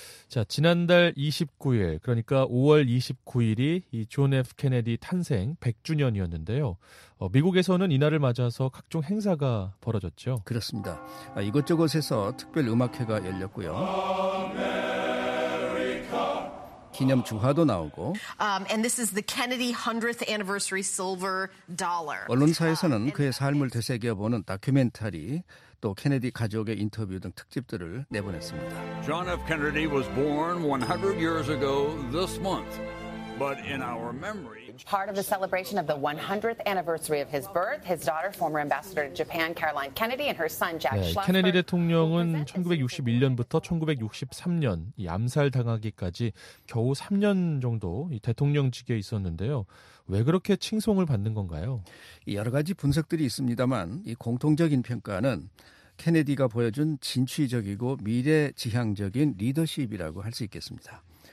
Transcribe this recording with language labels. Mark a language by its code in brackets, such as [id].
[ko] 자, 지난달 29일, 그러니까 5월 29일이 이 존 F. 케네디 탄생 100주년이었는데요. 미국에서는 이날을 맞아서 각종 행사가 벌어졌죠. 그렇습니다. 이곳저곳에서 특별 음악회가 열렸고요. 기념 중화도 나오고 [en] and this is the Kennedy 100th anniversary silver dollar. [ko] 언론사에서는 그의 삶을 되새겨보는 다큐멘터리 또 케네디 가족의 인터뷰 등 특집들을 내보냈습니다. [en] John F. Kennedy was born 100 years ago this month. But in our memory, part of the celebration of the 100th anniversary of his birth, his daughter, former ambassador to Japan, Caroline Kennedy, and her son, Jack Schlossberg. [ko] 네, 케네디 대통령은 1961년부터 1963년 이 암살 당하기까지 겨우 3년 정도 이 대통령직에 있었는데요. 왜 그렇게 칭송을 받는 건가요? 여러 가지 분석들이 있습니다만, 이 공통적인 평가는 케네디가 보여준 진취적이고 미래지향적인 리더십이라고 할 수 있겠습니다.